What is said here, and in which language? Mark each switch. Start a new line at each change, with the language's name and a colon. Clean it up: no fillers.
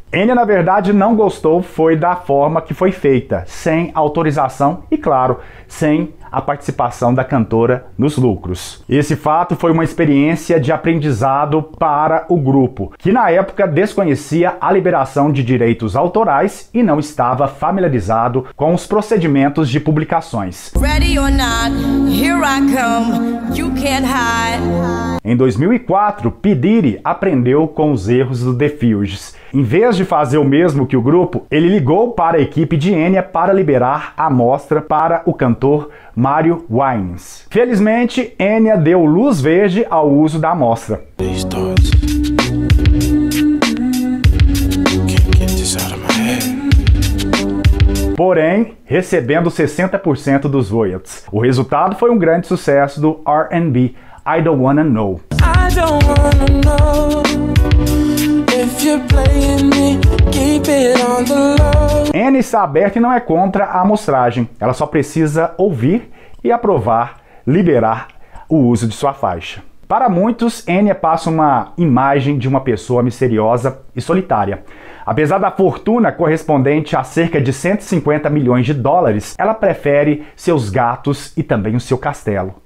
Portuguese: Enya, na verdade, não gostou foi da forma que foi feita, sem autorização e, claro, sem a participação da cantora nos lucros. Esse fato foi uma experiência de aprendizado para o grupo, que na época desconhecia a liberação de direitos autorais e não estava familiarizado com os procedimentos de publicações.
English: Ready or not, here I come, you can't hide.
Portuguese: Em 2004, P. Diddy aprendeu com os erros do The Fugees. Em vez de fazer o mesmo que o grupo, ele ligou para a equipe de Enya para liberar a amostra para o cantor Mario Winans. Felizmente, Enya deu luz verde ao uso da amostra. Porém, recebendo 60% dos royalties. O resultado foi um grande sucesso do R&B, I Don't Wanna Know.
English: I don't wanna know if you're playing me, keep it on the low.
Portuguese: Enya está aberta e não é contra a amostragem. Ela só precisa ouvir e aprovar, liberar o uso de sua faixa. Para muitos, Enya passa uma imagem de uma pessoa misteriosa e solitária. Apesar da fortuna correspondente a cerca de 150 milhões de dólares, ela prefere seus gatos e também o seu castelo.